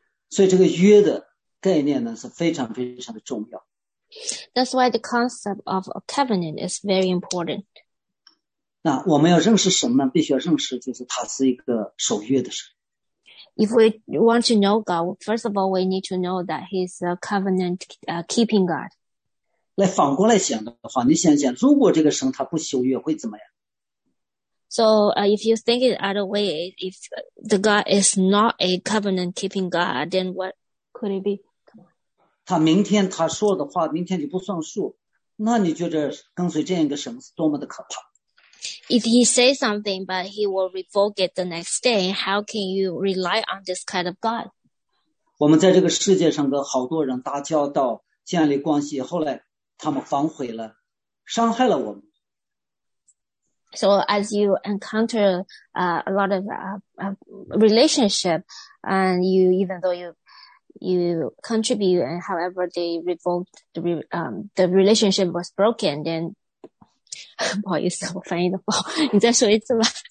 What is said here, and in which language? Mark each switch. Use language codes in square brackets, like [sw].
[zh] 所以这个约的概念呢，是非常非常的重要。 [en] That's why the concept of a covenant is very important. [zh] 那我们要认识什么呢？必须要认识，就是他是一个守约的神。 [en] If we want to know God, first of all, we need to know that He's a covenant, keeping God. [zh] 来反过来想的话，你想想，如果这个神他不守约，会怎么样？ [en] So, if you think it other way, if the God is not a covenant keeping God, then what could it be? [zh] 他明天他说的话，明天就不算数。那你觉得跟随这样一个神是多么的可怕？ [en] If he says something, but he will revoke it the next day, how can you rely on this kind of God? [zh] 我们在这个世界上跟好多人打交道，建立关系，后来他们反悔了，伤害了我们。 [en] So as you encounter a lot of relationship, and you even though you contribute, and however they revoked the relationship was broken, then [zh] 不好意思，我翻译的不好，你再说一次吧。